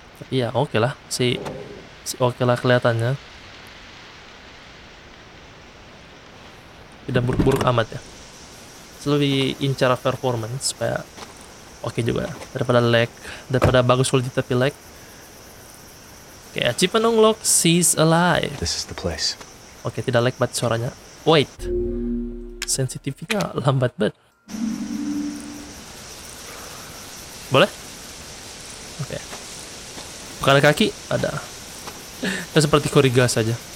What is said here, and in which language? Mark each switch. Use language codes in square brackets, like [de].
[id] Iya, oke lah. Si oke lah kelihatannya. Tidak buruk-buruk amat ya. Lebih incar performance supaya oke juga daripada lag, daripada bagus quality tapi lag. [en] Oke, achievement unlock, she's alive. This is the place. [id] Oke, tidak lag banget suaranya. Wait. Sensitivity-nya lambat banget. Boleh? Oke. Bukan kaki, ada. Ya seperti Koriga saja.